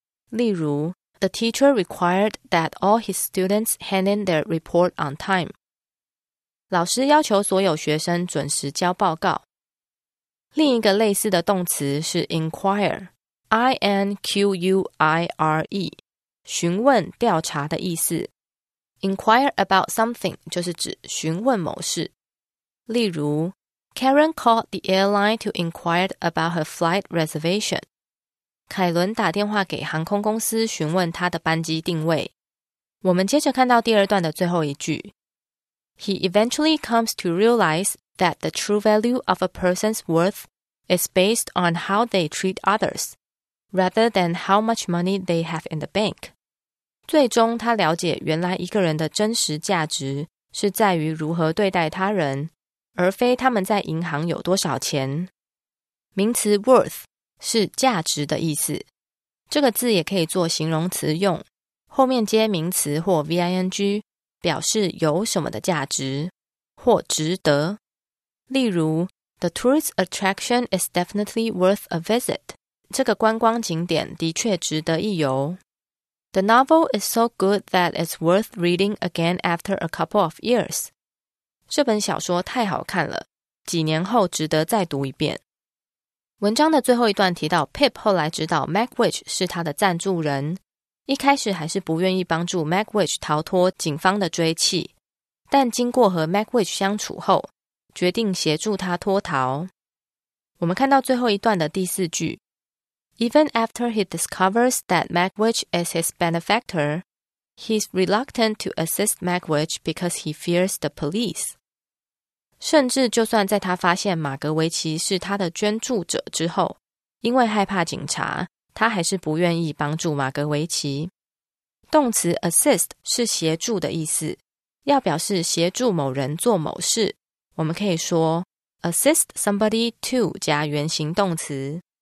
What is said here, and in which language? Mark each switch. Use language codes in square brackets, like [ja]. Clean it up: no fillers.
[zh] 例如 [en] The teacher required that all his students hand in their report on time. [zh] 老师要求所有学生准时交报告。另一个类似的动词是 inquire, I-N-Q-U-I-R-E, 询问、调查的意思。 [en] Inquire about something [zh] 就是指询问某事。例如 [en] Karen called the airline to inquire about her flight reservation. [zh] 凯伦打电话给航空公司询问她的班机定位。我们接着看到第二段的最后一句。 [en] He eventually comes to realize that the true value of a person's worth is based on how they treat others, rather than how much money they have in the bank. [zh] 最终他了解原来一个人的真实价值是在于如何对待他人而非他们在银行有多少钱。名词 worth 是价值的意思。这个字也可以做形容词用后面接名词或 ving 表示有什么的价值或值得。例如 [en] The tourist attraction is definitely worth a visit. [zh] 这个观光景点的确值得一游。 [en] The novel is so good that it's worth reading again after a couple of years. [zh] 这本小说太好看了，几年后值得再读一遍。文章的最后一段提到 Pip 后来知道 Magwitch 是他的赞助人，一开始还是不愿意帮助 Magwitch 逃脱警方的追缉，但经过和 Magwitch 相处后，决定协助他脱逃。我们看到最后一段的第四句。 [en] Even after he discovers that Magwitch is his benefactor, he's reluctant to assist Magwitch because he fears the police. [zh] 甚至就算在他发现马格维奇是他的捐助者之后，因为害怕警察，他还是不愿意帮助马格维奇。动词 assist 是协助的意思，要表示协助某人做某事，我们可以说 [en] assist somebody to [zh] 加原形动词。